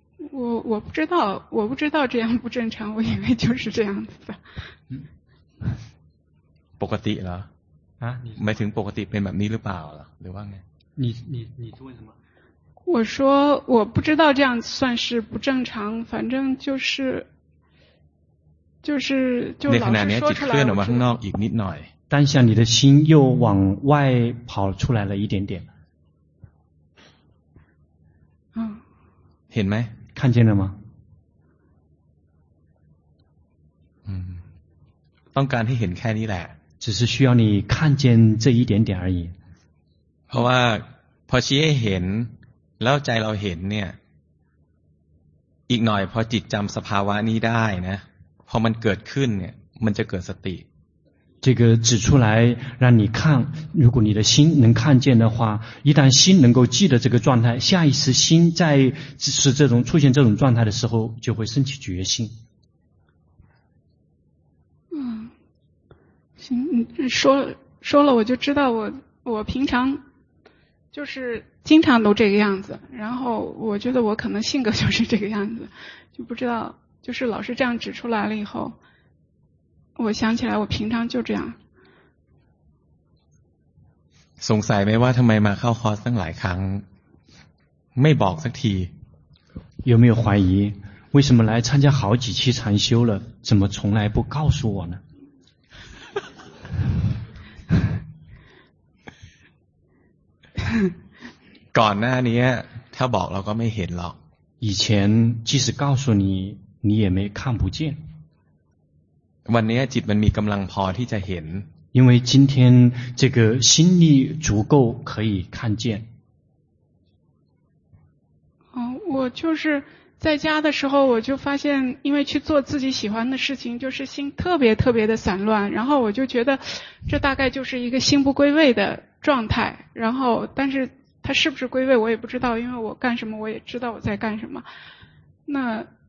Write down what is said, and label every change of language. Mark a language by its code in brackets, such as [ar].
[zh] 我不知道这样不正常我以为就是这样子的 [th] ปกติแล้ว ห มายถึงปกติเป็นแบบนี้หรือเปล่าหรือว่าไง [zh] 你说什么我说我不知道这样算是不正常反正就是就老师说出来 [th] ในขณะนี้ จิตเคลื่อนออกมาข้างนอกอีกนิดหน่อย [zh] 当下你的心又往外跑出来了一点点 [th] เห็นไหม [zh] 看见了吗 [th] ต้องการให้เห็นแค่นี้แหละ [zh] 只是需要你看见这一点点而已。 [th] พราะว่าพอชี้ให้เห็นแล้วใจเราเห็นเนี่ยอีกหน่อยพอจิตจำสภาวะนี้ได้นะพอมันเกิดขึ้นเนี่ยมันจะเกิดสติ [zh] 这个指出来让你看，如果你的心能看见的话，一旦心能够记得这个状态，下一次心再是这种出现这种状态的时候，就会升起决心。嗯，行，说了我就知道我平常就是经常都这个样子，然后我觉得我可能性格就是这个样子，就不知道就是老师这样指出来了以后。我想起来我平常就这样 [th] สงสัยไหมว่าทำไมมาเข้าคอร์สตั้งหลายครั้งไม่บอกสักที [zh] 有没有怀疑为什么来参加好几期禅修了怎么从来不告诉我呢 [th] ก่อนหน้านี้ถ้าบอกเราก็ไม่เห็นหรอก [zh] 以前即使告诉你你也没看不见 [th] วันนี้จิตมันมีกำลังพอที่จะเห็น [zh] 因为今天这个心力足够可以看见我就是在家的时候我就发现因为去做自己喜欢的事情就是心特别特别的散乱然后我就觉得这大概就是一个心不归位的状态然后但是它是不是归位我也不知道因为我干什么我也知道我在干什么那